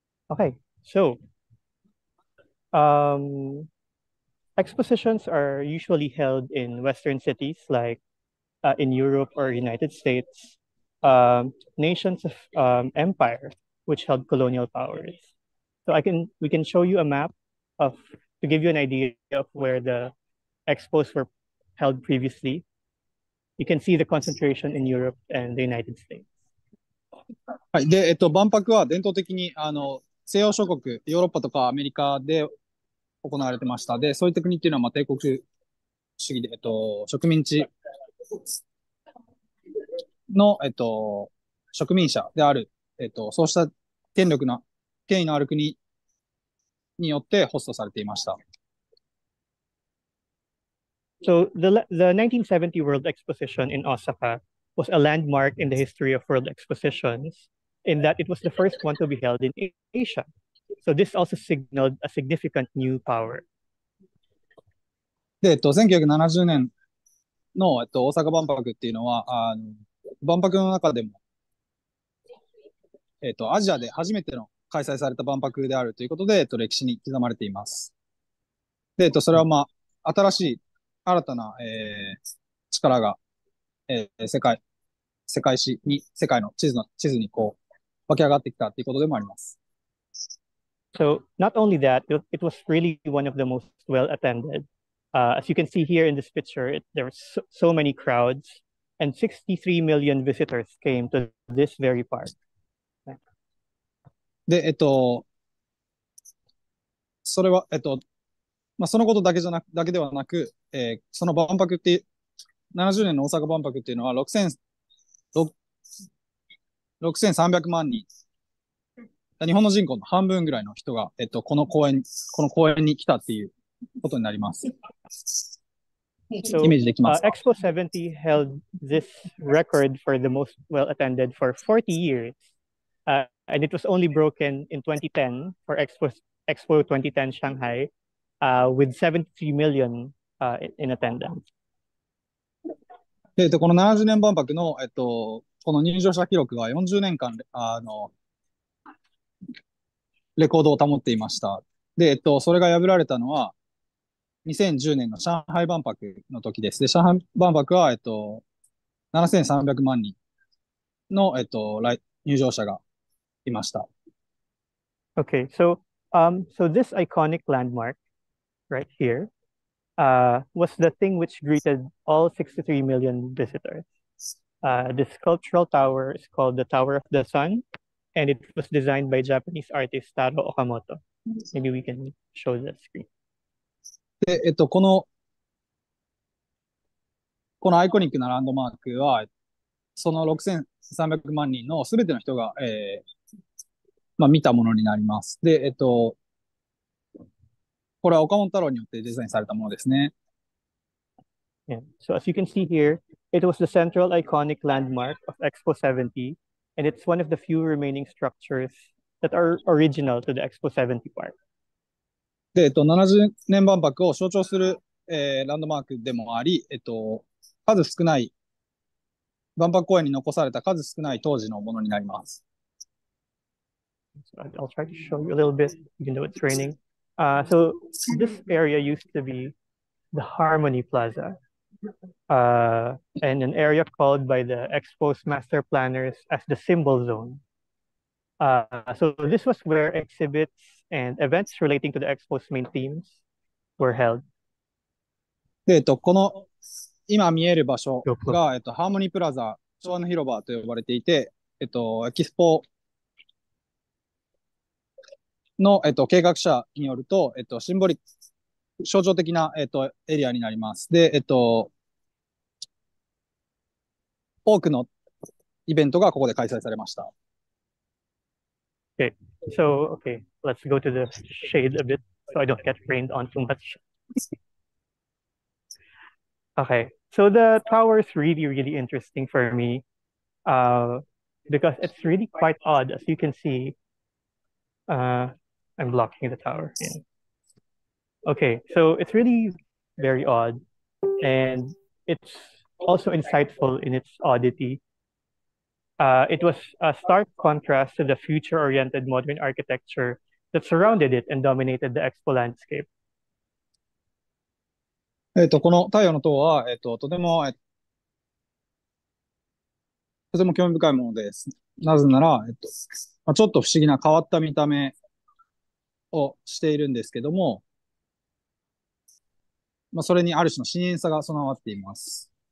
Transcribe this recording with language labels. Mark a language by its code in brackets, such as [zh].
[en] Okay. So, Expositions are usually held in Western cities like in Europe or United States, nations of empire which held colonial powers. So we can show you a map of to give you an idea of where the expos were held previously. You can see the concentration in Europe and the United States. [ja] はい、で、万博は伝統的に西洋諸国、ヨーロッパとかアメリカで行われてました。で、そういった国っていうのは、まあ、帝国主義で、植民地の、植民者である、そうした権力の、権威のある国によってホストされていました。 [en] So, the 1970 World Exposition in Osaka was a landmark in the history of world expositions in that it was the first one to be held in Asia. So this also signaled a significant new power. [ja] で、1970年の、大阪万博っていうのは、万博の中でも、アジアで初めての開催された万博であるということで、歴史に刻まれています。で、それは、まあ、新しい、新たな、力が、世界史に、世界の地図にこう、湧き上がってきたということでもあります。 [en] So not only that, it was really one of the most well attended. As you can see here in this picture, there were so many crowds and 63 million visitors came to this very park. [ja] で、それは、まあ、そのことだけではなく、その万博って、70年の大阪万博っていうのは6300万人。日本の人口の半分ぐらいの人が、この公園に来たっていうことになります。 [en] So, [ja] イメージできますか [en] Expo 70 held this record for the most well attended for 40 years. And it was only broken in 2010 for Expo 2010 Shanghai, with 73 million, in attendance. [ja] で、この70年万博の、この入場者記録が40年間、レコードを保っていました。で、それが破られたのは2010年の上海万博の時です。で、上海万博は、7300万人の、来、入場者がいました。 [en] Okay, so, so this iconic landmark right here, was the thing which greeted all 63 million visitors. This cultural tower is called the Tower of the Sun, and it was designed by Japanese artist Taro Okamoto. Maybe we can show the screen. [ja] で、この、このアイコニックなランドマークは、その6300万人の全ての人が、まあ、見たものになります。で、これは岡本太郎によってデザインされたものですね。 [en] Yeah. So as you can see here, it was the central iconic landmark of Expo 70, and it's one of the few remaining structures that are original to the Expo 70 park. [ja] で、70年万博を象徴する、ランドマークでもあり、数少ない、万博公園に残された数少ない当時のものになります。 [en] So I'll try to show you a little bit, even though it's raining. So this area used to be the Harmony Plaza, and an area called by the Expo's master planners as the Symbol Zone. So this was where exhibits and events relating to the Expo's main themes were held. [ja] で、この今見える場所が、ハーモニープラザ、昭和の広場と呼ばれていて、エキスポの、計画者によると、シンボリック、象徴的な、エリアになります。で、多くのイベントがここで開催されました。 [en] Okay. So, okay. Let's go to the shade a bit so I don't get rained on too much. Okay. So the tower is really, really interesting for me because it's really quite odd, as you can see. I'm blocking the tower. Okay, so it's really very odd, and it's also insightful in its oddity. It was a stark contrast to the future-oriented modern architecture that surrounded it and dominated the expo landscape. [ja] この太陽の塔は、とても、とても興味深いものです。なぜなら、まあ、ちょっと不思議な変わった見た目、をしているんですけども、まあ、それにある種の新鮮さが備わっています。